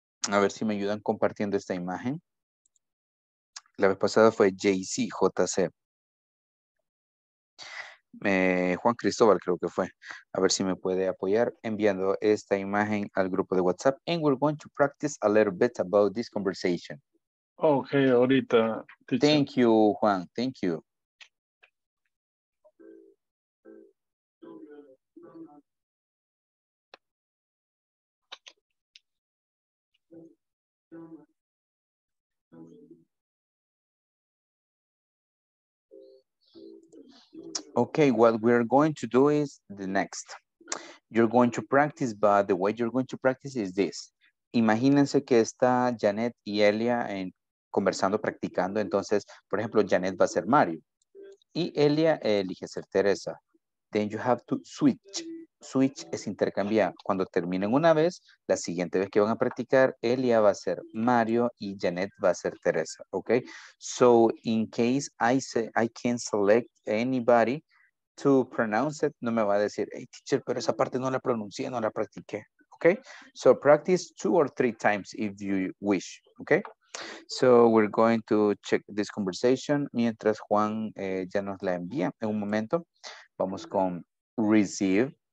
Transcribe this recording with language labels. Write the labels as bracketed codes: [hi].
[es] A ver si me ayudan compartiendo esta imagen. La vez pasada fue JC, JC. Juan Cristóbal creo que fue. A ver si me puede apoyar enviando esta imagen al grupo de WhatsApp. [en] And we're going to practice a little bit about this conversation. [es] Okay, ahorita. [en] Teacher. Thank you, Juan. Thank you. Okay, what we're going to do is the next. You're going to practice, but the way you're going to practice is this. [es] Imagínense que está Janet y Elia en conversando, practicando. Entonces, por ejemplo, Janet va a ser Mario. Y Elia elige ser Teresa. [en] Then you have to switch. [es] Switch es intercambiar. Cuando terminen una vez, la siguiente vez que van a practicar, Elia va a ser Mario y Janet va a ser Teresa. Okay? [en] So, in case I say I can select anybody to pronounce it, [es] no me va a decir, hey, teacher, pero esa parte no la pronuncié, no la practiqué. Okay? [en] So, practice two or three times if you wish. Okay? So, we're going to check this conversation. [es] Mientras Juan ya nos la envía en un momento, vamos con receive.